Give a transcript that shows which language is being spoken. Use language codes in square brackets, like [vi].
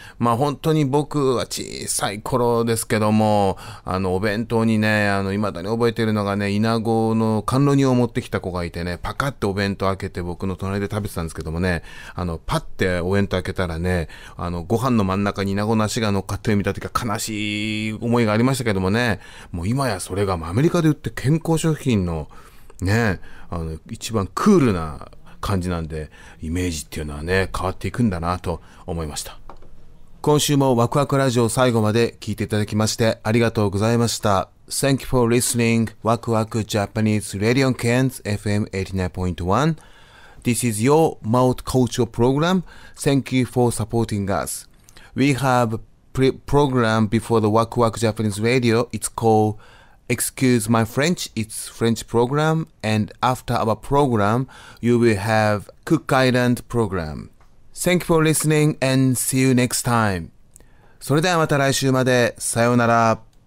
[ja] まあ本当に僕は小さい頃ですけども、あのお弁当にね、あの未だに覚えてるのがね、イナゴの甘露煮を持ってきた子がいてね、パカッてお弁当開けて僕の隣で食べてたんですけどもね、あのパッてお弁当開けたらね、あのご飯の真ん中にイナゴの足が乗っかって見た時は悲しい思いがありましたけどもね、もう今やそれがアメリカで売って健康食品のね、あの一番クールな感じなんで、イメージっていうのはね変わっていくんだなと思いました。今週もワクワクラジオ最後まで聞いていただきましてありがとうございました。 [en] Thank you for listening ワクワクジャパニーズラディオンケンズ FM 89.1. This is your mouth cultural program. Thank you for supporting us. We have program before the ワクワクジャパニーズラディオ。 It's called Excuse my French, it's French program. And after our program, you will have Cook Island program. Thank you for listening and see you next time. [ja] それではまた来週まで。さようなら。